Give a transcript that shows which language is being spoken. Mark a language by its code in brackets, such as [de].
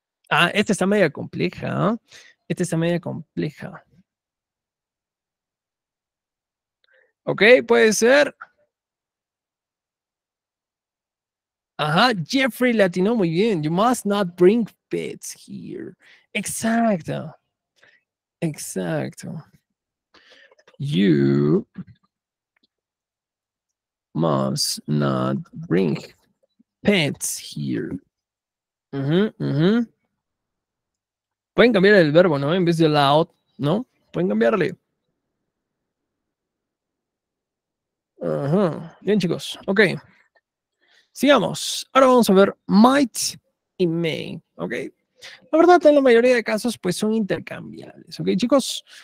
[es] Ah, esta está media compleja, ¿no? Esta está media compleja. Ok, puede ser. Ajá, Jeffrey Latino, muy bien. [en] You must not bring pets here. [es] Exacto. Exacto. [en] You must not bring pets here. [es] Pueden cambiar el verbo, ¿no? En vez de allowed, ¿no? Pueden cambiarle. Bien, chicos. Ok. Sigamos. Ahora vamos a ver might y may, ¿ok? La verdad, en la mayoría de casos, pues, son intercambiables, ¿ok, chicos?